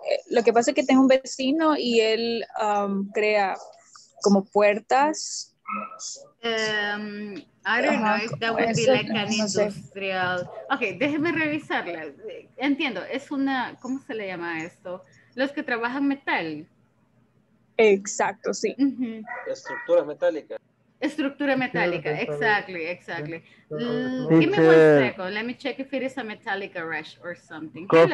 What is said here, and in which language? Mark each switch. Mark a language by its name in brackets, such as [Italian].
[Spanish] Lo que pasa es que tengo un vecino y él crea como puertas. [English] I don't know if that would be like an industrial. [Spanish] Okay, déjeme revisarla. Entiendo, es una, ¿cómo se le llama esto? Los que trabajan metal. Exacto, sí. Uh-huh. Estructura metálica. Estructura metálica, [English] exactly. Give me one second. Let me check if it is a metallic garage or something.